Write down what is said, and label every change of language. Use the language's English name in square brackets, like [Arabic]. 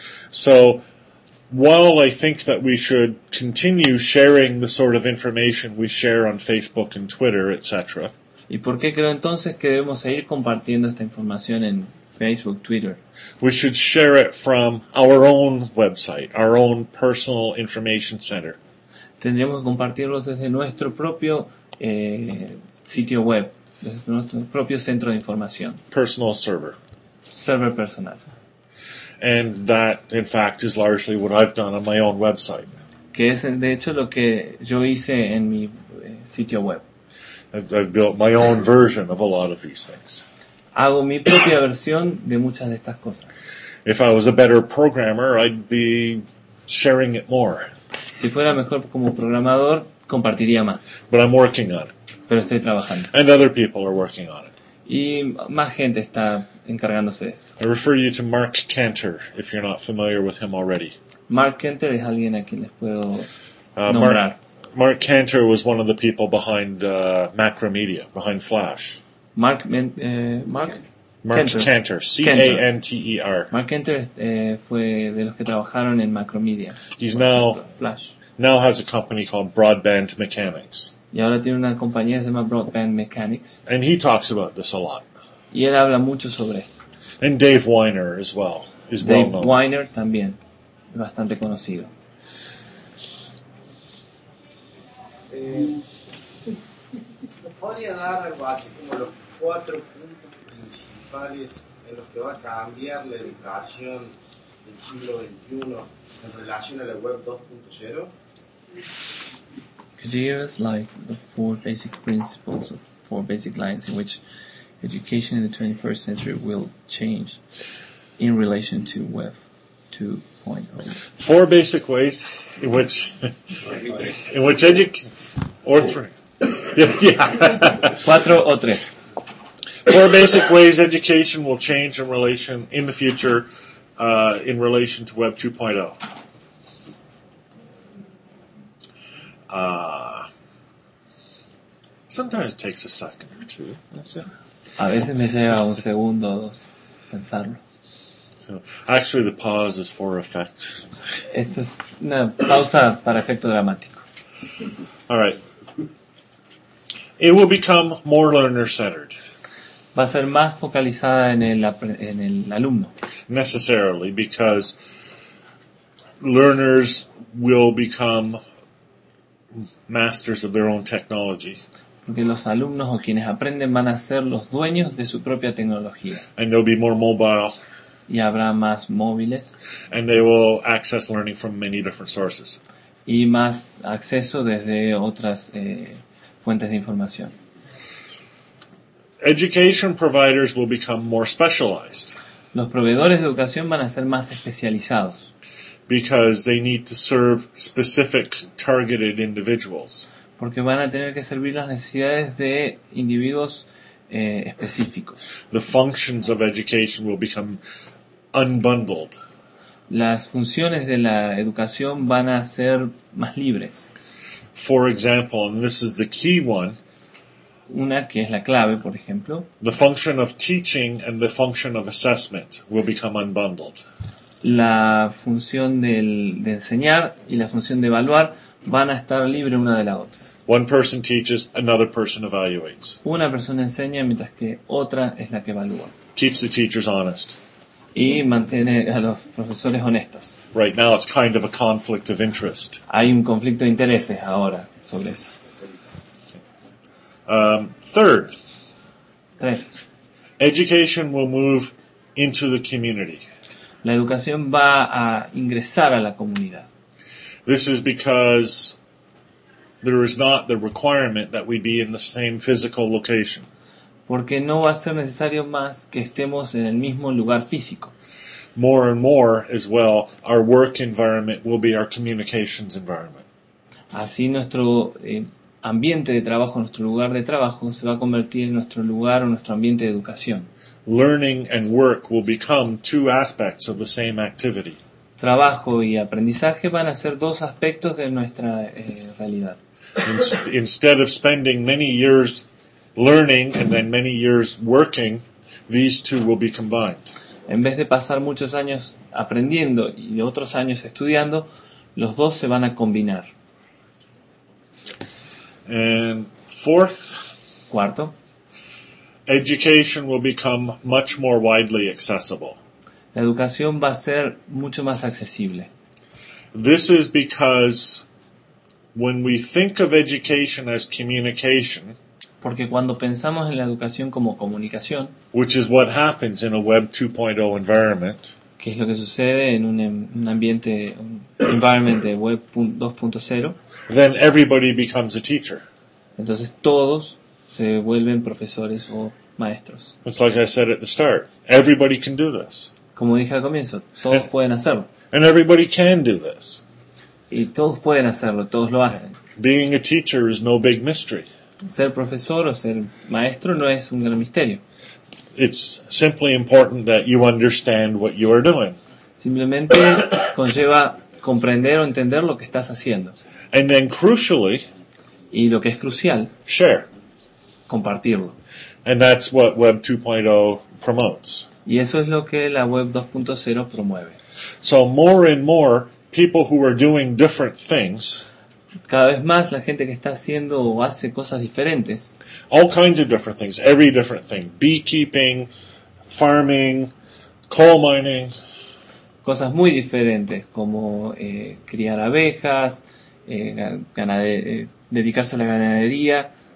[English] So, while I think that we should continue sharing the sort of information we share on Facebook and Twitter, etc. [Spanish] ¿Y por qué creo entonces que debemos seguir compartiendo esta información en Facebook, Twitter? [English] We should share it from our own website, our own personal information center. [Spanish] Tendríamos que compartirlo desde nuestro propio sitio web, desde nuestro propio centro de información. [English] Personal server. [Spanish] Server personal. [English] And that, in fact, is largely what I've done on my own website. [Spanish] Que es, de hecho, lo que yo hice en mi sitio web. [English] I've built my own version of a lot of these things. [Spanish] Hago mi propia versión de muchas de estas cosas. [English] If I was a better programmer, I'd be sharing it more. [Spanish] Si fuera mejor como programador, compartiría más. [English] But I'm working on it. [Spanish] Pero estoy trabajando. [English] And other people are working on it. [Spanish] Y más gente está encargándose de esto. [English] I refer you to Mark Cantor, if you're not familiar with him already. [Spanish] Mark Cantor es alguien a quien les puedo nombrar. [English] Mark Cantor was one of the people behind Macromedia, behind Flash. Mark Cantor. C-A-N-T-E-R. [Spanish] Mark Cantor fue de los que trabajaron en Macromedia. [English] He's now Flash. Now has a company called Broadband Mechanics. [Spanish] Y ahora tiene una compañía que se llama Broadband Mechanics. [English] And he talks about this a lot. [Spanish] Y él habla mucho sobre esto. [English] And Dave Weiner as well. Is Dave well known. [Spanish] Weiner también. Bastante conocido. ¿Podría dar algo así como los cuatro puntos principales en los que va a cambiar la educación del siglo XXI en relación a la web 2.0? [English] Could you give us like the four basic principles or four basic lines in which education in the 21st century will change in relation to Web 2.0? Four basic ways in which four basic ways education will change in relation in the future in relation to Web 2.0. Sometimes it takes a second or two. [Spanish] A veces me lleva un segundo o dos pensarlo. [English] So, actually, the pause is for effect. [Spanish] Esto es una pausa para efecto dramático. [English] All right. It will become more learner-centered. [Spanish] Va a ser más focalizada en el alumno. [English] Necessarily, because learners will become masters of their own technology. [Spanish] Porque los alumnos o quienes aprenden van a ser los dueños de su propia tecnología. [English] And they'll be more mobile. [Spanish] Y habrá más móviles. [English] And they will access learning from many different sources. [Spanish] Y más acceso desde otras fuentes de información. [English] Education providers will become more specialized. [Spanish] Los proveedores de educación van a ser más especializados. [English] Because they need to serve specific targeted individuals. [Spanish] Porque van a tener que servir las necesidades de individuos específicos. [English] The functions of education will become unbundled. [Spanish] Las funciones de la educación van a ser más libres. [English] For example, and this is the key one, [Spanish] una que es la clave, por ejemplo, [English] the function of teaching and the function of assessment will become unbundled. [Spanish] La función de enseñar y la función de evaluar van a estar libres una de la otra. [English] One person teaches, another person evaluates. [Spanish] Una persona enseña mientras que otra es la que evalúa. [English] Keeps the teachers honest. [Spanish] Y mantiene a los profesores honestos. [English] Right now it's kind of a conflict of interest. [Spanish] Hay un conflicto de intereses ahora sobre eso. [English] Third. [Spanish] Tres. [English] Education will move into the community. [Spanish] La educación va a ingresar a la comunidad. [English] This is because there is not the requirement that we be in the same physical location. [Spanish] Porque no va a ser necesario más que estemos en el mismo lugar físico. [English] More and more as well, our work environment will be our communications environment. [Spanish] Así nuestro ambiente de trabajo, nuestro lugar de trabajo, se va a convertir en nuestro lugar o nuestro ambiente de educación. [English] Learning and work will become two aspects of the same activity. [Spanish] Trabajo y aprendizaje van a ser dos aspectos de nuestra realidad. [English] Instead of spending many years learning and then many years working, these two will be combined. [Spanish] En vez de pasar muchos años aprendiendo y otros años estudiando, los dos se van a combinar. [English] And fourth, [Spanish] cuarto, [English] education will become much more widely accessible. [Spanish] La educación va a ser mucho más accesible. [English] This is because when we think of education as communication, [Spanish] porque cuando pensamos en la educación como comunicación, [English] which is what happens in a Web 2.0 environment, [Spanish] que es lo que sucede en un ambiente, un environment de Web 2.0, [English] then everybody becomes a teacher. [Spanish] Entonces todos se vuelven profesores o maestros. [English] It's like I said at the start, everybody can do this. [Spanish] Como dije al comienzo, todos pueden hacerlo. [English] And everybody can do this. [Spanish] Y todos pueden hacerlo, todos lo hacen. [English] Being a teacher is no big mystery. [Spanish] Ser profesor o ser maestro no es un gran misterio. [English] It's simply important that you understand what you are doing. [Spanish] Simplemente conlleva comprender o entender lo que estás haciendo. [English] And then crucially, [Spanish] y lo que es crucial, [English] share. [Spanish] Compartirlo. [English] And that's what Web 2.0 promotes. [Spanish] Y eso es lo que la Web 2.0 promueve. [English] So more and more people who are doing different things, [Spanish] cada vez más la gente que está haciendo o hace cosas diferentes, [English] all kinds of different things, every different thing, beekeeping, farming, coal mining, [Spanish] cosas muy diferentes como criar abejas, dedicarse a la ganadería,